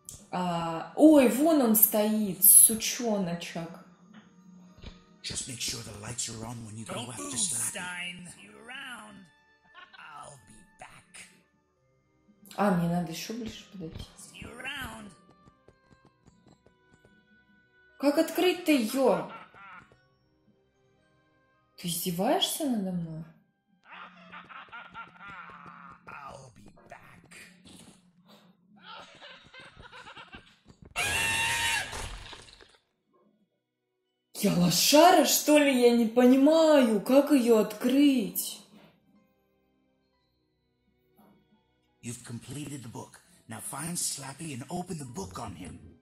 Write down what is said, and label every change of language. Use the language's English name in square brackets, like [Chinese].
[Russian] Ой, вон он стоит, сучоночек. [English] Just make sure the lights are on when you go after Slappy. Stein, you're around. I'll be back. [Russian] А, мне надо еще ближе подойти. Как открыть-то ее? Ты издеваешься надо мной? [English] I'll be back. [Russian] Я лошара, что ли? Я не понимаю, как ее открыть? [English] You've completed the book. Now find Slappy and open the book on him.